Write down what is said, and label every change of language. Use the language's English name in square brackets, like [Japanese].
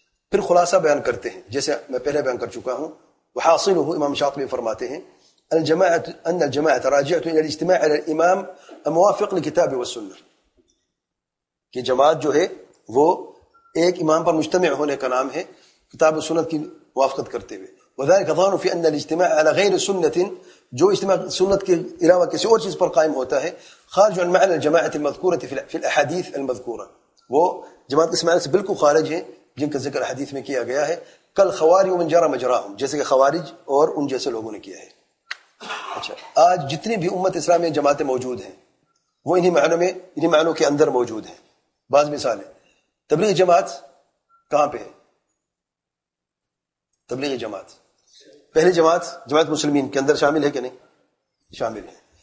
[Urdu] پھر خلاصہ بیان کرتے ہیں جیسے میں پہلے بیان کر چکا ہوں، وحاصله امام شاطبی فرماتے ہیں [Arabic] الجماعه ان الجماعه راجعه الى الاجتماع على الامام الموافق لكتاب والسنه، [Urdu] کہ جماعت جو ہے وہ ایک امام پر مجتمع ہونے کا نام ہے کتاب و سنت کی موافقت کرتے ہوئے. و [Arabic] وذلك ظانوا في ان الاجتماع على غير سنه [Urdu] جو اجتماع سنت کے علاوہ کسی اور چیز پر قائم ہوتا ہے [Arabic] خارج عن معنى الجماعه المذكوره في الاحاديث المذكوره. [Urdu] وہ جماعت اس معنی سے بالکل خارج ہے جن کا ذکر حدیث میں کیا گیا ہے. [Arabic] کل خوارج من جرى مجراهم, [Urdu] جیسے کہ خوارج اور ان جیسے لوگوں نے کیا ہے. اچھا, آج جتنی بھی امت اسلامی جماعتیں موجود ہیں وہ انہی معنوں کے اندر موجود ہیں. بعض مثالیں, تبلیغ جماعت کہاں پہ ہے؟ تبلیغ جماعت پہلے جماعت جماعت مسلمین کے اندر شامل ہے کہ نہیں؟ شامل ہے.